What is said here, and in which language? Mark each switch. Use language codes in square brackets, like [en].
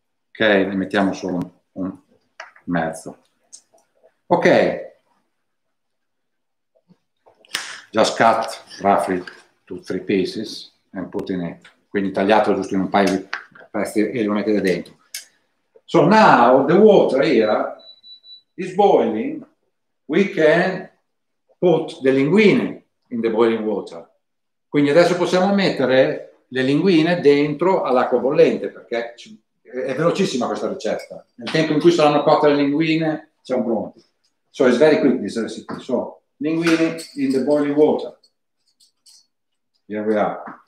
[it] Ok, ne mettiamo solo un mezzo. [en] Ok, just cut roughly two, three pieces and put in it. [it] Quindi tagliato giusto in un paio di pezzi e lo mettete dentro. [en] So now the water here is boiling, we can put the linguine in the boiling water. [it] Quindi adesso possiamo mettere le linguine dentro all'acqua bollente, perché è velocissima questa ricetta. Nel tempo in cui saranno cotte le linguine, siamo pronti. [en] So it's very quick, this recipe. So, linguine in the boiling water. Here we are.